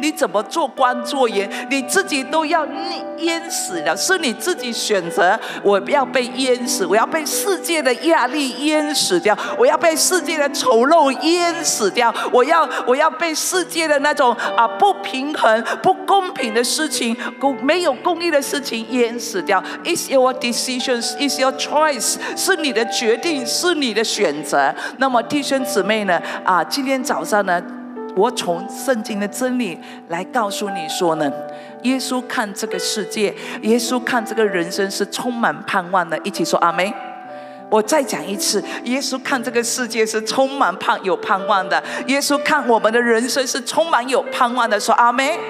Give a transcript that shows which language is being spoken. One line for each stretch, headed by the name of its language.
Chinese: 你怎么做光做盐？你自己都要淹死了，是你自己选择我要被淹死，我要被世界的压力淹死掉，我要被世界的丑陋淹死掉，我要被世界的那种不平衡不公平的事情，没有公义的事情淹死掉。
English: It's your decision, it's your choice,
Chinese: 是你的决定，是你的选择。那么弟兄姊妹呢，今天早上呢，我从圣经的真理来告诉你说呢，耶稣看这个世界，耶稣看这个人生是充满盼望的。一起说阿们。我再讲一次，耶稣看这个世界是充满有盼望的，耶稣看我们的人生是充满有盼望的，说阿们。